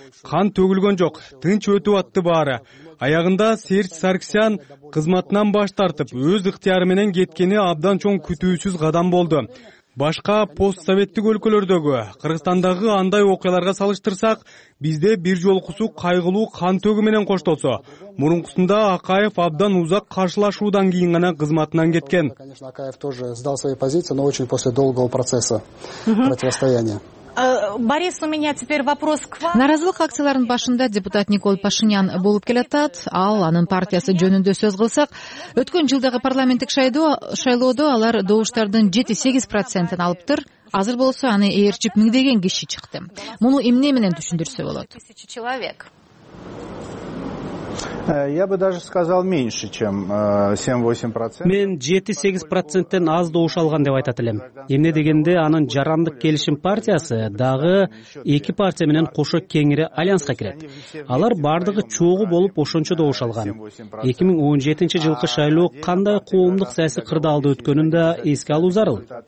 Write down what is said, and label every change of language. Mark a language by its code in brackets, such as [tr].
[ky] Кан төгүлгөн жок, тынч өтүп атты баары. Аягында Серж Саргсян кызматынан баш тартып, өз ыктыяры менен кеткени абдан чоң күтүүсүз кадам болду. Башка постсоветтик өлкөлөрдөгү, Кыргызстандагы андай окуяларга салыштырсак, бизде бир жолкусу кайгылуу кан төгүү менен коштолсо, мурункусунда Акаев абдан узак каршылашуудан кийин гана кызматынан кеткен. [ru] Конечно, Акаев тоже сдал свои позиции, но очень после долгого процесса противостояния. Борис, у меня теперь вопрос к вам. [ky] Наразылык акцияларынын башында депутат Николь Пашинян болуп келатат. Ал анын партиясы жөнүндө сөз кылсак, өткөн жылдагы парламенттик шайлоодо алар добуштардын 7-8% алыптыр. Азыр болсо аны ээрчип миңдеген киши чыкты. Муну эмне менен түшүндүрсө болот? [ru] Я бы даже сказал меньше, чем 7-8%. [ky] Мен 7-8% аз добуш алган деп айтат элем. Эмне дегенде анын жарандык келишим партиясы дагы эки партия менен кошо кеңири альянска кирет. Алар бардыгы чогу болуп ошончо добуш алган. 2017 жылкы шайлоо кандай коомдук саясий кырдаалды өткөнүн да эске алуу зарыл.